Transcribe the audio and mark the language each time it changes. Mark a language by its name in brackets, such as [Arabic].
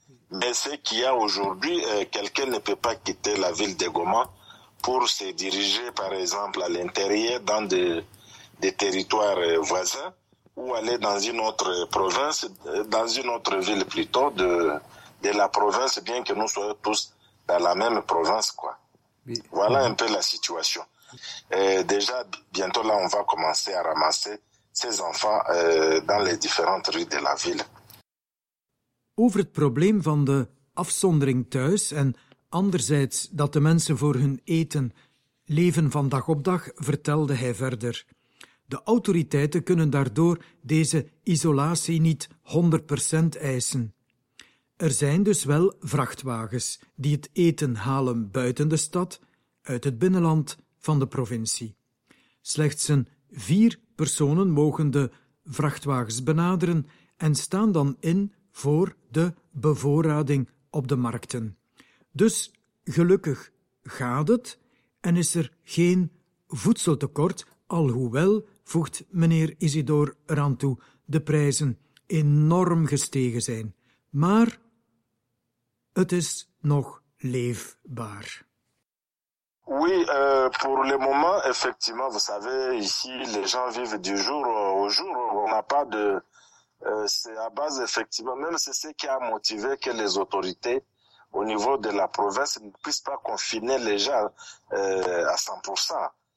[French] Mais c'est qu'il y a aujourd'hui, quelqu'un ne peut pas quitter la ville de Goma pour se diriger, par exemple, à l'intérieur, dans des territoires voisins, ou aller dans une autre province, dans une autre ville plutôt, de la province, bien que nous soyons tous dans la même province, quoi. Voilà un peu la situation. Et déjà, bientôt, là, on va commencer à ramasser ces enfants dans les différentes rues de la ville. [Dutch] Over het probleem van de afzondering thuis en anderzijds dat de mensen voor hun eten leven van dag op dag, vertelde hij verder. De autoriteiten kunnen daardoor deze isolatie niet 100% eisen. Er zijn dus wel vrachtwagens die het eten halen buiten de stad, uit het binnenland van de provincie. Slechts een 4 personen mogen de vrachtwagens benaderen en staan dan in voor de bevoorrading op de markten. Dus gelukkig gaat het en is er geen voedseltekort, alhoewel, voegt meneer Isidore eraan toe, de prijzen enorm gestegen zijn. Maar het is nog leefbaar. [French] Oui, pour le moment, effectivement, vous savez, ici, les gens vivent du jour au jour. On n'a pas de... c'est à base, effectivement, même c'est ce qui a motivé que les autorités au niveau de la province, ne puisse pas confiner les gens à 100%.